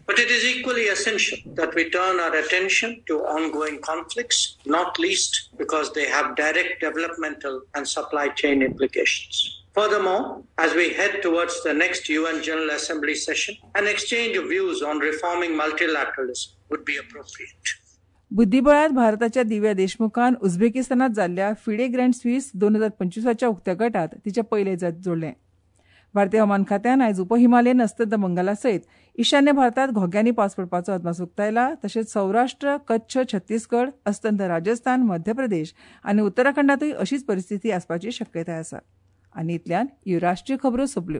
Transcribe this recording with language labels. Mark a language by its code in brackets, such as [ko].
[en] But it is equally essential that we turn our attention to ongoing conflicts, not least because they have direct developmental and supply chain implications. Furthermore, as we head towards the next UN General Assembly session, an exchange of views on reforming multilateralism would be appropriate. [gom] बुद्धिबळात भारताच्या दिव्या देशमुखान उझबेकिस्तानात झालेल्या FIDE grand Swiss 2025 उक्त्या गटात तिच्या पहिले जात जोडले. भारतीय हवामान खात्यान आयज उपहिमालयन अस्तंत बंगाला सयत ईशान्य भारतात घोग्यांनी पावस पडपाचो अदमास उक्तायला. तशेंच सौराष्ट्र, कच्छ, छत्तीसगड, अस्तंत राजस्थान, मध्य प्रदेश आनी उत्तराखंडातूय अशीच परिस्थिती आसपाची शक्यताय आसा. आनी इतल्यान ह्यो राष्ट्रीय खबरो सोंपल्यो. आमच्यो मुखावेल्यो राष्ट्रीय खबरो आयकात फाल्यां सकाळच्या 8:40 मिनटांचेर. नमस्कार.